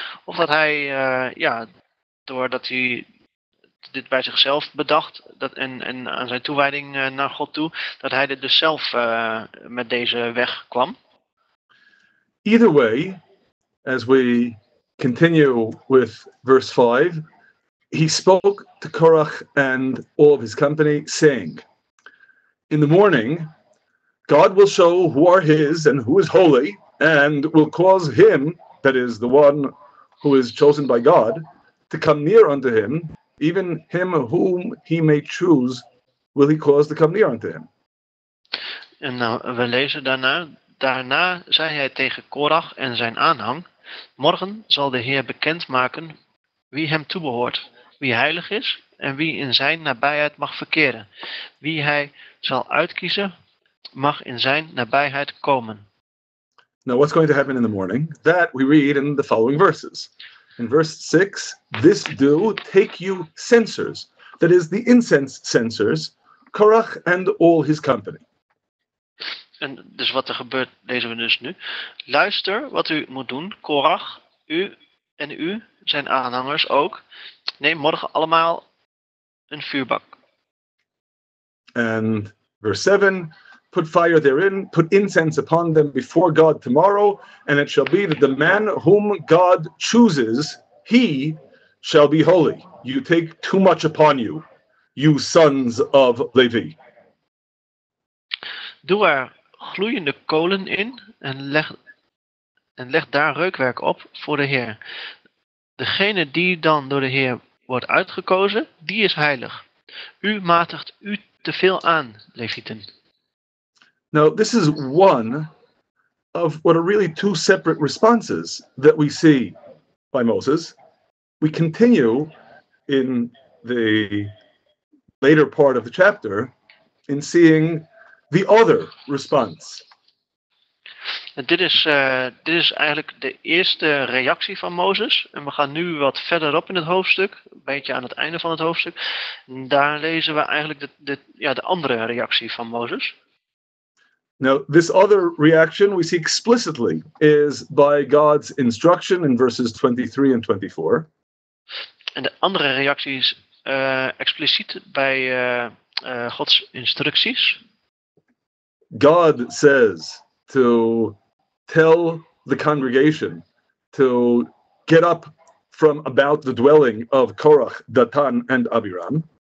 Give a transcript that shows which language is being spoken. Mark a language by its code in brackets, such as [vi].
[nl] Of dat hij, doordat hij dit bij zichzelf bedacht, dat en aan zijn toewijding naar God toe, dat hij dit dus zelf met deze weg kwam. [en] Either way, as we continue with verse 5, he spoke to Korach and all of his company, saying, in the morning, God will show who are his and who is holy, and will cause him, that is, the one who is chosen by God, to come near unto him, even him whom he may choose, will he cause to come near unto him. [nl] En nou, we lezen daarna. Daarna zei hij tegen Korach en zijn aanhang, morgen zal de Heer bekendmaken wie hem toebehoort, wie heilig is en wie in zijn nabijheid mag verkeren. Wie hij zal uitkiezen, mag in zijn nabijheid komen. [en] Now what's going to happen in the morning? That we read in the following verses. In verse 6, this do, take you censers, that is the incense censers, Korach and all his company. [nl] En dus wat er gebeurt, lezen we dus nu. Luister wat u moet doen, Korach, u en u, zijn aanhangers ook. Neem morgen allemaal een vuurbak. [en] And verse 7, put fire therein, put incense upon them before God tomorrow, and it shall be that the man whom God chooses, he shall be holy. You take too much upon you, you sons of Levi. [nl] Doe er gloeiende kolen in en leg daar reukwerk op voor de Heer. Degene die dan door de Heer wordt uitgekozen, die is heilig. U matigt u te veel aan, Levieten. [en] Now, this is one of what are really two separate responses that we see by Moses. We continue in the later part of the chapter in seeing the other response. [nl] Dit is eigenlijk de eerste reactie van Mozes. En we gaan nu wat verderop in het hoofdstuk. Een beetje aan het einde van het hoofdstuk. Daar lezen we eigenlijk de andere reactie van Mozes. [en] Now, this other reaction we see explicitly is by God's instruction in verses 23 and 24. [nl] En de andere reactie is expliciet bij Gods instructies. [en] God says to tell the congregation to get up from about the dwelling of Korach, Datan and Abiram.